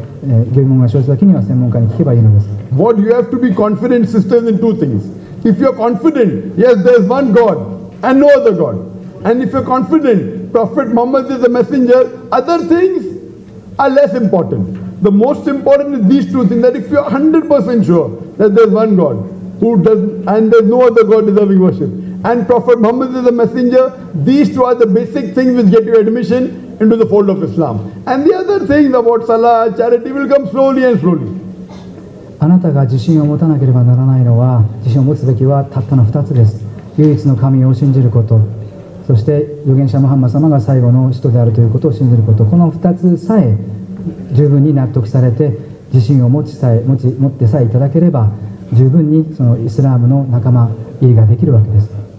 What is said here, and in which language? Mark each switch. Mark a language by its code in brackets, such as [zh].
[ja] 何か疑問が生じた時は、イスラムのことを詳しく知る人に尋ねればよいのです。コランの中にも、もしは何時らがわからないことがあるならば、それをより良く知る専門家に尋ねればよいとありますように、何か疑問が生じた時には、例えば病気の時、医者に聞きませんか、一般の人に聞きますか、医者ですよねということで、疑問が生じた時には専門家に聞けばいいのです。What [en] you have to be confident system in two things. If you're confident, yes, there's one God and no other God. And if you're confident, Prophet Muhammad is a messenger, other things are less important. The most important is these two things, that if you're 100% sure that there's one God who does, and there's no other God deserving worship, and Prophet Muhammad is a messenger, these two are the basic things which get you admission into the fold of Islam. And the other things about Salah, charity will come slowly and slowly. [ja] あなたが自信を持たなければならないのは、自信を持つべきはたったの2つです。唯一の神を信じること、そして預言者ムハンマ様が最後の使徒であるということを信じること、この2つさえ十分に納得されて、自信を持ってさえいただければ、十分にそのイスラームの仲間入りができるわけです。